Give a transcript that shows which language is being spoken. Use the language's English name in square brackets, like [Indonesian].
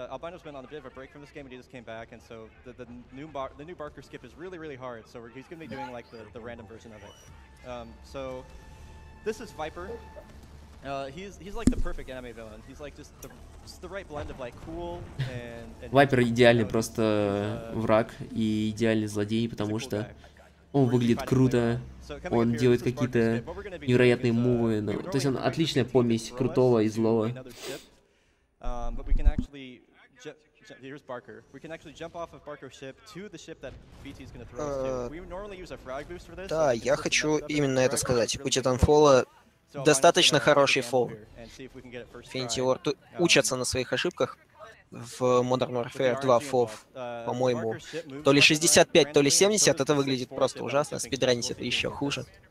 [English] Albino's been on a bit of a break from this game, and he just came back, and so the new Barker skip is really, really hard. So he's going to be doing like the random version of it. So this is Viper. He's like the perfect anime villain. He's like just the right blend of like cool and. [Russian] Viper идеальный просто враг и идеальный злодей, потому что он выглядит круто. Он делает какие-то невероятные мувы. То есть он отличная помесь крутого и злого. [English] But we can actually here's Barker. We can actually jump off of Barker's ship to the ship that BT is going to throw us to. We normally use a frag boost for this. [Russian] Да, я хочу именно это сказать. У Титанфола достаточно хороший фол. Infinity Ward учатся на своих ошибках в Modern Warfare 2 фов, по-моему. То ли 65, то ли 70, это выглядит просто ужасно. Спидранить это еще хуже.